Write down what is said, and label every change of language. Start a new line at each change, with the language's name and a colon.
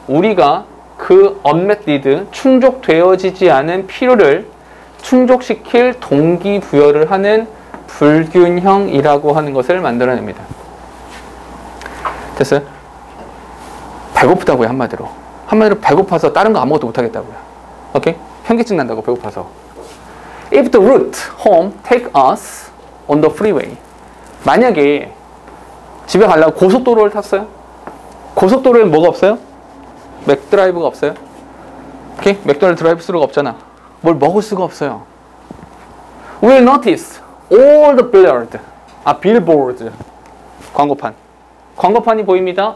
Korean: 우리가 그 unmet need, 충족되어지지 않은 필요를 충족시킬 동기부여를 하는 불균형이라고 하는 것을 만들어냅니다. 됐어요? 배고프다고요, 한마디로. 한마디로 배고파서 다른 거 아무것도 못하겠다고요. 오케이? 현기증 난다고, 배고파서.
English: If the route home take us on the freeway.
Korean: 만약에 집에 가려고 고속도로를 탔어요? 고속도로에 뭐가 없어요? 맥드라이브가 없어요? 오케이? 맥도날드 드라이브스루가 없잖아. 뭘 먹을 수가 없어요.
English: We'll notice all the billboards.
Korean: 광고판. 광고판이 보입니다.